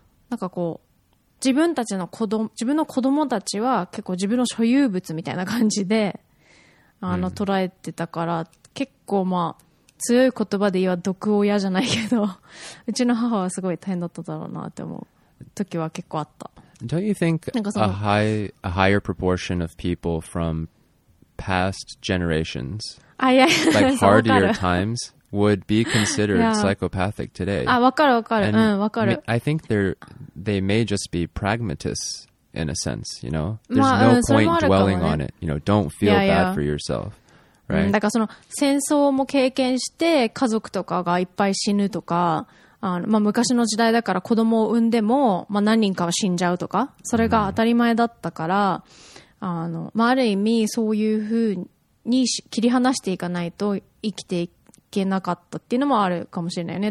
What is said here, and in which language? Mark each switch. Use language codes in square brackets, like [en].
[ja] なんかこう自分たちの子供、自分の子供たちは結構自分の所有物みたいな感じで、捉えてたから、結構まあ、強い言葉で言えば毒親じゃないけど、うちの母はすごい大変だっただろうなって思う時は結構あった。 [en] Don't you think a higher proportion of people from past generations, like hardier times, would be considered psychopathic today? [ja] あ、わかるわかる。うん、わかる。 [en] I think they may just be pragmatists in a sense, you know? There's no point dwelling on it. You know, don't feel bad for yourself. Right? [ja] だからその戦争も経験して家族とかがいっぱい死ぬとか、まあ、昔の時代だから子供を産んでも、まあ、何人かは死んじゃうとか、それが当たり前だったから、まあ、ある意味そういうふうに切り離していかないと生きていけなかったっていうのもあるかもしれないよね。